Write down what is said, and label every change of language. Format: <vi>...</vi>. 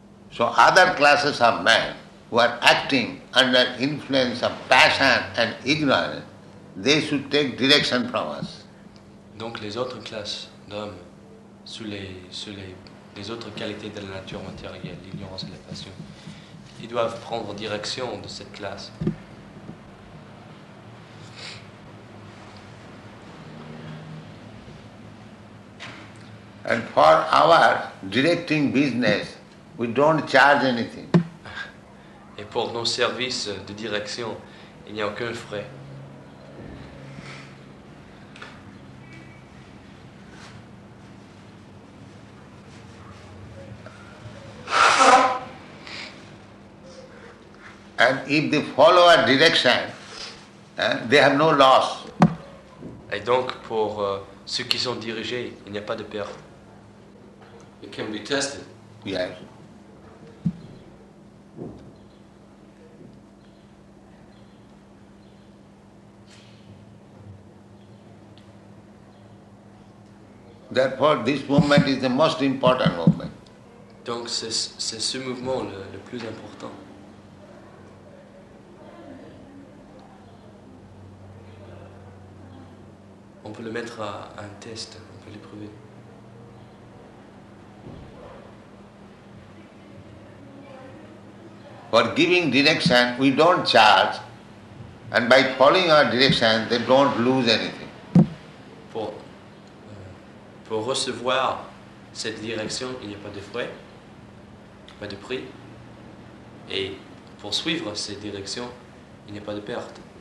<en>So other classes of men who are acting under influence of passion and ignorance, they should take direction from us.</en> <fr>Donc les autres classes d'hommes, sous les autres qualités de la nature matérielle, l'ignorance et la passion, ils doivent prendre direction de cette classe.</fr> <en>And for our directing business, we don't charge anything.</en> <fr>Et pour nos services de direction, il n'y a aucun frais.</fr> <en>And if they follow our direction, they have no loss.</en> <fr>Et donc, pour ceux qui sont dirigés, il n'y a pas de perte.</fr> <en>It can be tested. Yes. Therefore, this movement is the most important movement.</en> <fr>Donc, c'est ce mouvement le plus important. On peut le mettre à un test, on peut l'éprouver.</fr> <en>For giving direction, we don't charge, and by following our direction, they don't lose anything.</en> <fr>Pour recevoir cette direction, il n'y a pas de frais, pas de prix, et pour suivre cette direction, il n'y a pas de perte.</fr>